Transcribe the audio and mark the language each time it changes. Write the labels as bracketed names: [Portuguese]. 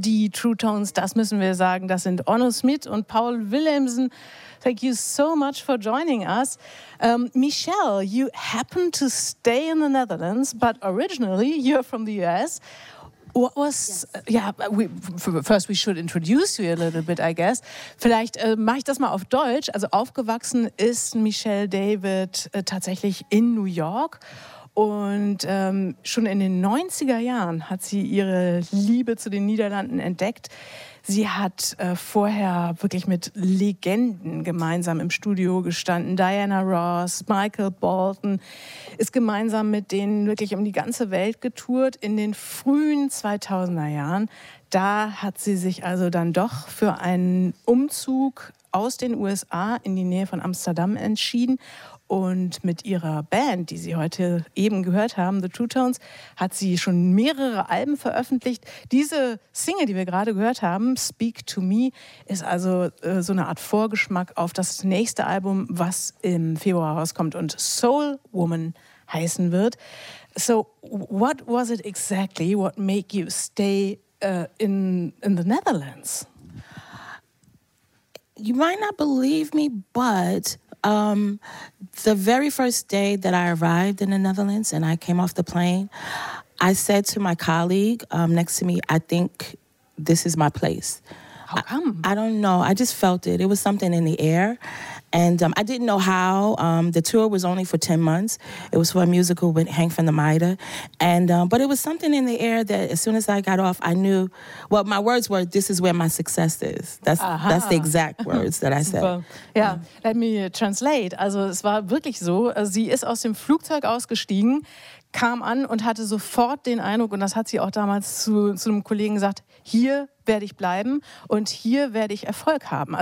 [German] Die True Tones, das müssen wir sagen, das sind Onno Schmidt und Paul Willemsen. [English] Thank you so much for joining us. Michelle, you happen to stay in the Netherlands, but originally you're from the US. What was, yes. First we should introduce you a little bit, I guess. [German] Vielleicht mache ich das mal auf Deutsch. Also aufgewachsen ist Michelle David tatsächlich in New York. Und schon in den 90er Jahren hat sie ihre Liebe zu den Niederlanden entdeckt. Sie hat vorher wirklich mit Legenden gemeinsam im Studio gestanden. Diana Ross, Michael Bolton, ist gemeinsam mit denen wirklich um die ganze Welt getourt. In den frühen 2000er Jahren, da hat sie sich also dann doch für einen Umzug aus den USA in die Nähe von Amsterdam entschieden Und mit ihrer Band, die Sie heute eben gehört haben, The Two Tones, hat sie schon mehrere Alben veröffentlicht. Diese Single, die wir gerade gehört haben, Speak to Me, ist also so eine Art Vorgeschmack auf das nächste Album, was im Februar rauskommt und Soul Woman heißen wird. [English] So, what was it exactly, what made you stay in the Netherlands? You might not believe me, but the very first day that I arrived in the Netherlands and I came off the plane, I said to my colleague next to me, I think this is my place. How come? I don't know. I just felt it. It was something in the air. And I didn't know how. The tour was only for 10 months. It was for a musical with Hank van der Meyde. But it was something in the air that as soon as I got off, I knew. Well, my words were, this is where my success is. That's the exact words that I said. Ja, let me translate. [German] Also es war wirklich so, sie ist aus dem Flugzeug ausgestiegen, kam an und hatte sofort den Eindruck, und das hat sie auch damals zu einem Kollegen gesagt, hier werde ich bleiben und hier werde ich Erfolg haben.